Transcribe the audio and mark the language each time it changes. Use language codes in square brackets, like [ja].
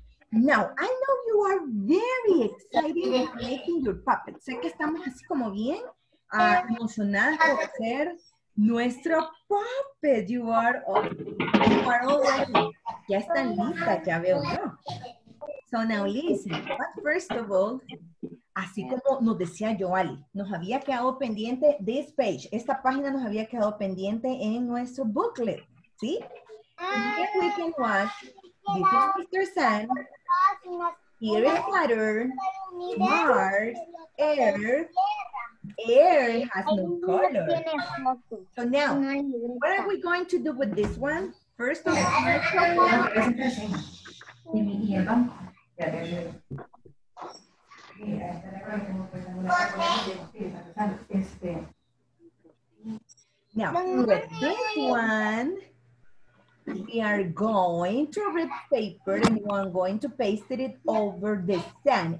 [en] Now, I know you are very excited about making your puppets. [es] Sé que estamos así como bien emocionadas por hacer nuestro puppet. [en] You are all ready. [es] Ya están listas, ya veo yo. [en] So now listen, but first of all, [es] así como nos decía Joali, nos había quedado pendiente [en] this page. [es] Esta página nos había quedado pendiente en nuestro booklet, ¿sí? [en] And here we can watch, this is Mr. Sun, here is Saturn, Mars, Earth, air has no color. So now, what are we going to do with this one? First of all, now, with this one, we are going to rip paper and we are going to paste it over the sand.